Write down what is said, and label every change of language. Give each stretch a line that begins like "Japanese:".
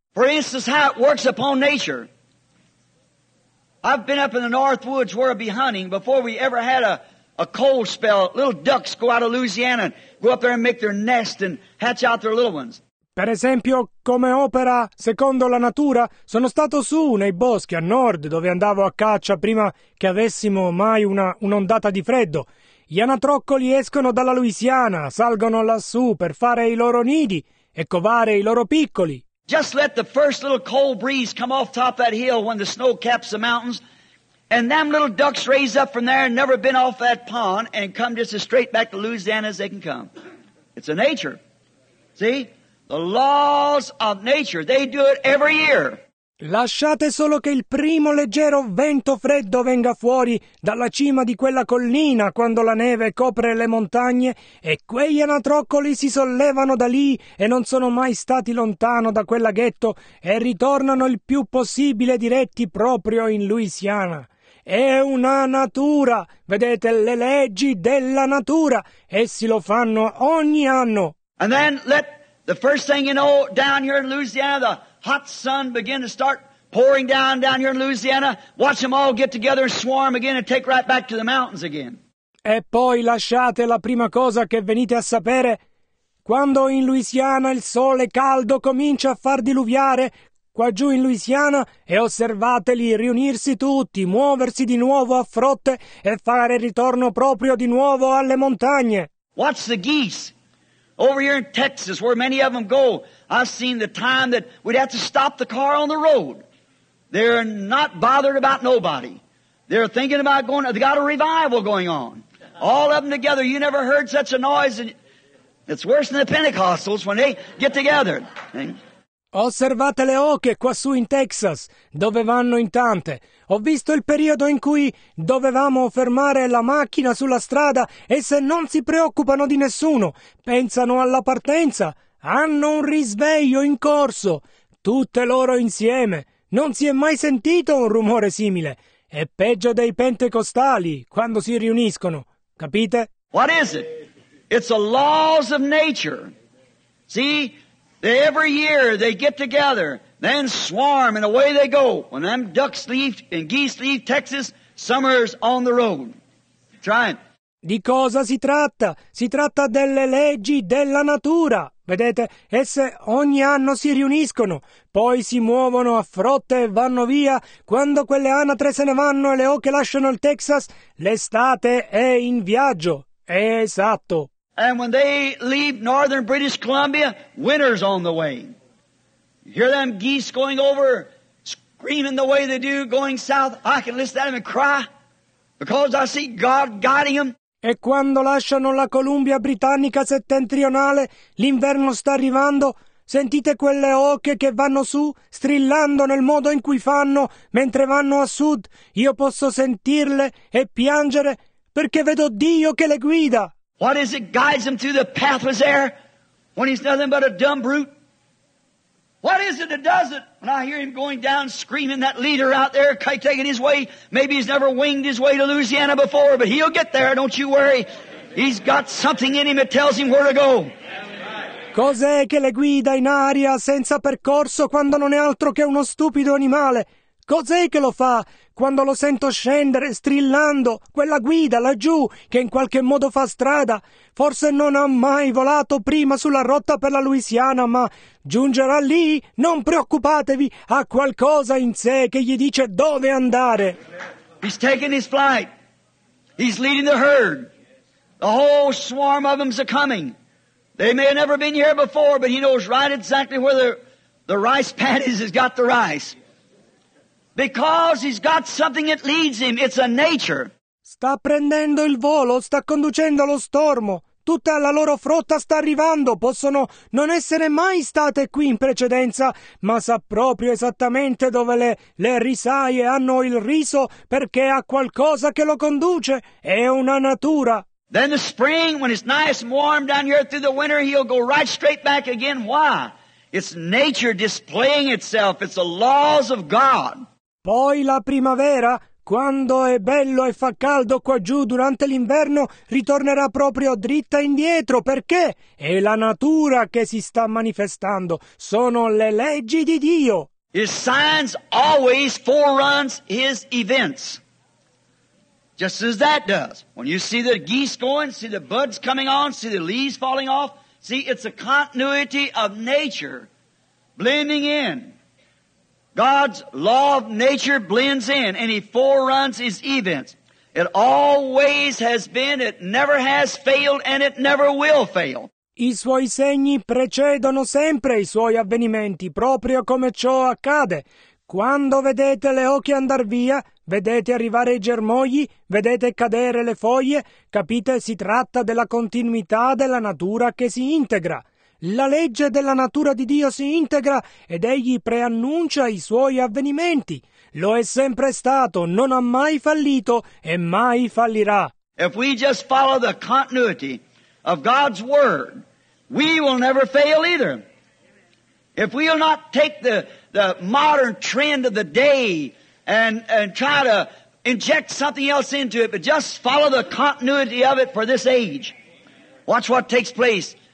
English: For instance, how it works upon nature. I've been up in the North Woods where I'd be hunting before we ever had a cold spell. Little ducks go out of Louisiana and go up there and make their nest and hatch out their little ones.
Italian: Per esempio, come opera secondo la natura, sono stato su nei boschi a nord dove andavo a caccia prima che avessimo mai un'ondata di freddo. Gli anatroccoli escono dalla Louisiana, salgono lassù per fare i loro nidi e covare i loro piccoli.
English: Just let the first little cold breeze come off top that hill when the snow caps the mountains, and them little ducks raise up from there, never been off that pond, and come just as straight back to Louisiana as they can come. It's a nature. See? The laws of nature, they do it every year.
Italian: Lasciate solo che il primo leggero vento freddo venga fuori dalla cima di quella collina quando la neve copre le montagne e quegli anatroccoli si sollevano da lì e non sono mai stati lontano da quel laghetto e ritornano il più possibile diretti proprio in Louisiana. È una natura, vedete le leggi della natura, essi lo fanno ogni anno.
English: And then let the first thing you know, down here in Louisiana, the hot sun begin to start pouring down here in Louisiana. Watch them all get together and swarm again and take right back to the mountains again.
Italian: E poi lasciate la prima cosa che venite a sapere. Quando in Louisiana il sole caldo comincia a far diluviare qua giù in Louisiana e osservateli riunirsi tutti, muoversi di nuovo a frotte e fare ritorno proprio di nuovo alle montagne.
English: What's the geese? Over here in Texas, where many of them go, I've seen the time that we'd have to stop the car on the road. They're not bothered about nobody. They're thinking about going, they got a revival going on. All of them together, you never heard such a noise. It's worse than the Pentecostals when they get together.
Italian: Osservate le oche quassù in Texas, dove vanno in tante. Ho visto il periodo in cui dovevamo fermare la macchina sulla strada e se non si preoccupano di nessuno, pensano alla partenza, hanno un risveglio in corso, tutte loro insieme. Non si è mai sentito un rumore simile. È peggio dei pentecostali quando si riuniscono, capite?
English: What is it? It's the laws of nature. See? Every year they get together, then swarm, and away they go. When them ducks leave and geese leave Texas, summer's on the road. Trying.
Italian: Di cosa si tratta? Si tratta delle leggi della natura. Vedete, esse ogni anno si riuniscono, poi si muovono a frotte e vanno via. Quando quelle anatre se ne vanno e le oche lasciano il Texas, l'estate è in viaggio. È esatto.
English: And when they leave northern British Columbia, winter's on the way. You hear them geese going over, screaming the way they do, going south. I can listen to them and cry, because I see God guiding them.
Italian: E quando lasciano la Columbia Britannica settentrionale, l'inverno sta arrivando, sentite quelle oche che vanno su, strillando nel modo in cui fanno, mentre vanno a sud. Io posso sentirle e piangere, perché vedo Dio che le guida.
English: What is it guides him through the pathless air when he's nothing but a dumb brute? What is it that does it when I hear him going down screaming that leader out there, kite taking his way? Maybe he's never winged his way to Louisiana before, but he'll get there, don't you worry. He's got something in him that tells him where to go.
Italian: Cos'è che le guida in aria senza percorso quando non è altro che uno stupido animale? Cos'è che lo fa quando lo sento scendere strillando quella guida laggiù che in qualche modo fa strada? Forse non ha mai volato prima sulla rotta per la Louisiana, ma giungerà lì. Non preoccupatevi, ha qualcosa in sé che gli dice dove andare.
English: He's taking his flight. He's leading the herd. The whole swarm of them's a coming. They may have never been here before, but he knows right exactly where the rice paddies has got the rice. Because he's got something that leads him, it's a nature.
Italian: Sta prendendo il volo, sta conducendo lo stormo. Tutta la loro frotta sta arrivando. Possono non essere mai state qui in precedenza, ma sa proprio esattamente dove le risaie hanno il riso, perché ha qualcosa che lo conduce. È una natura.
English: Then the spring, when it's nice and warm down here through the winter, he'll go right straight back again. Why? It's nature displaying itself. It's the laws of God.
Italian: Poi la primavera, quando è bello e fa caldo qua giù durante l'inverno, ritornerà proprio dritta indietro. Perché? È la natura che si sta manifestando. Sono le leggi di Dio.
English: His signs always foreruns his events. Just as that does. When you see the geese going, see the buds coming on, see the leaves falling off. See, it's a continuity of nature blending in. God's law of nature blends in, and he foreruns his events. It always has been, it never has failed, and it never will fail.
Italian: I suoi segni precedono sempre i suoi avvenimenti, proprio come ciò accade. Quando vedete le oche andar via, vedete arrivare i germogli, vedete cadere le foglie, capite, si tratta della continuità della natura che si integra. La legge della natura di Dio si integra ed egli preannuncia i suoi avvenimenti. Lo è sempre stato, non ha mai fallito e mai fallirà.
English: If we just follow the continuity of God's word, we will never fail either. If we will not take the modern trend of the day and try to inject something else into it, but just follow the continuity of it for this age, watch what takes place.